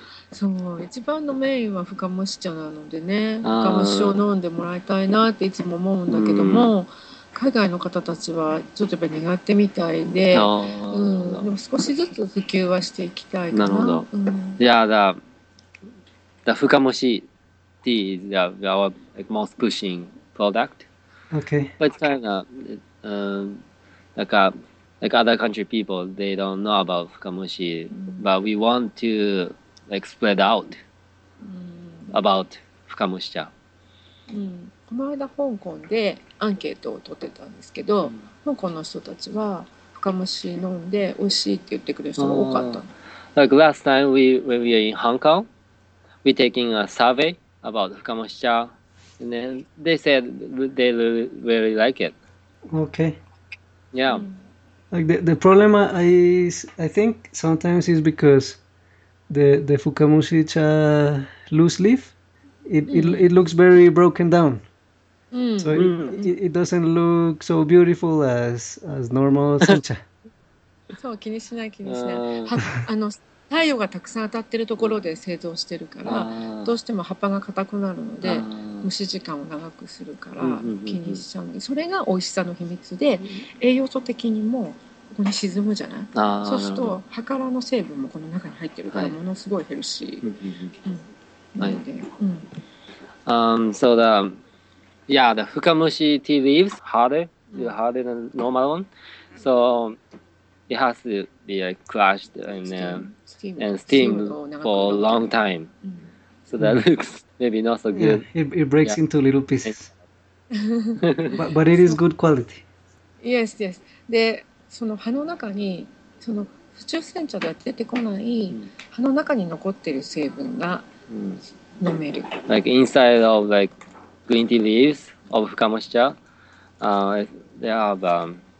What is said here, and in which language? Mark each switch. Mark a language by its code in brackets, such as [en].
[ja] そう、一番のメインは深蒸し茶なのでね、深蒸しを飲んでもらいたいなっていつも思うんだけども。海外の方たちはちょっとやっぱ苦手みたいで、でも少しずつ普及はしていきたいかな。なるほど。じゃあ、 [en] the 深蒸し tea is our like, most pushing product. Okay. But it's kind of, like other country people, they don't know about 深蒸し, but we want to like spread out about 深蒸し茶。 [ja] この間香港でアンケートを取ってたんですけど、うん、香港の人たちは深蒸し飲んで美味しいって言ってくれる人が多かった。 [en] Like last time when we were in Hong Kong, we taking a survey about 深蒸し茶, and then they said they really like it. Okay. Yeah. Like the problem I think sometimes is because the 深蒸し茶 loose leaf. It looks very broken down. So it doesn't look so beautiful as normal sencha. [ja] そう、気にしない気にしない。あの、太陽がたくさん当たってるところで製造してるから、どうしても葉っぱが硬くなるので、蒸し時間を長くするから気にしちゃうので、それが美味しさの秘密で、栄養素的にもここに沈むじゃない。そうすると、葉からの成分もこの中に入ってるから、ものすごい減るし。 [en] Right. So the 深蒸し tea leaves harder than normal one. So it has to be like crushed and steamed for a long time. So that looks maybe not so good. Yeah, it breaks into little pieces. but it is good quality. Yes, yes. [ja] で、その葉の中にその普通煎茶では出てこない葉の中に残ってる成分が [en] Like inside of like green tea leaves of 深蒸し茶, there are the